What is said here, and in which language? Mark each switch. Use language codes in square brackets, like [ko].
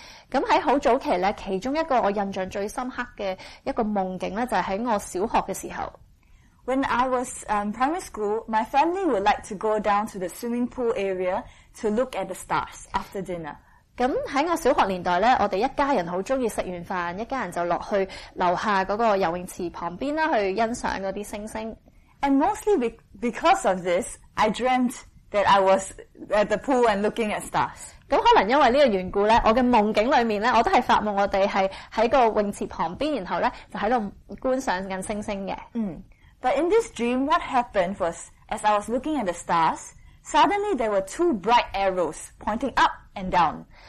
[yue] 咁喺好早期咧，其中一個我印象最深刻嘅一個夢境咧，就係喺我小學嘅時候。 [en] When I was primary school, my family would like to go down to the swimming pool area to look at the stars after dinner. [yue] 咁喺我小學年代咧，我哋一家人好中意食完飯，一家人就落去樓下嗰個游泳池旁邊啦，去欣賞嗰啲星星。 [en] And mostly because of this, I dreamt that I was at the pool and looking at stars. [yue] 咁可能因為呢個緣故咧，我嘅夢境裡面咧，我都係發夢，我哋係喺個泳池旁邊，然後咧就喺度觀賞緊星星嘅。嗯。 [en] But in this dream, what happened was, as I was looking at the stars, suddenly there were two bright arrows pointing up and down.